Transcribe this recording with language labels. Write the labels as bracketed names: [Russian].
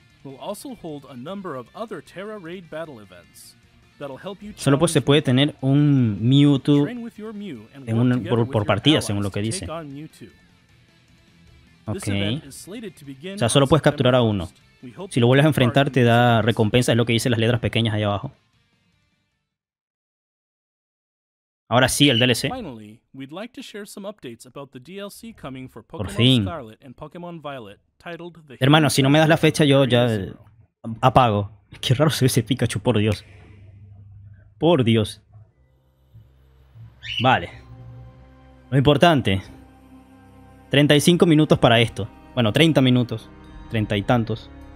[English] We'll also hold a number of other Terra Raid battle events that'll help you. [Spanish] Solo pues se puede tener un Mewtwo en un, por partida, según lo que dice. Okay. O sea, solo puedes capturar a uno. Si lo vuelves a enfrentar, te da recompensa, es lo que dicen las letras pequeñas ahí abajo. Ahora sí, el DLC. [English] Finally, we'd like to share some updates about the DLC coming for Pokémon Scarlet and Pokémon Violet. [Spanish] Hermano, si no me das la fecha, yo ya apago. Qué raro se ve ese Pikachu, por Dios. Por Dios. Vale. Lo importante. 35 minutos para esto. Bueno, 30 minutos. 30 y tantos.